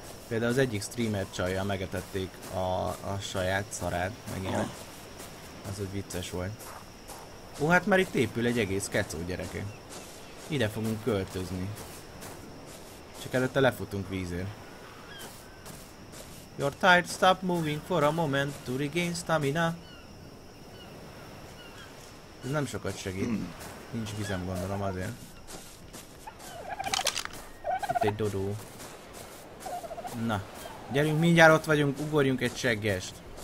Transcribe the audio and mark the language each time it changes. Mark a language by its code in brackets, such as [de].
[hu] Például az egyik streamer csajjal megetették a saját szarát, meg ilyenek. Az egy vicces volt. Ó, hát már itt épül egy egész kecó, gyereke. Ide fogunk költözni. Csak előtte lefutunk vízért. [en] You're tired, stop moving for a moment to regain stamina. [hu] Ez nem sokat segít. Nincs vizem, gondolom azért. Egy dodó. Na, gyerünk, mindjárt ott vagyunk, ugorjunk egy seggest.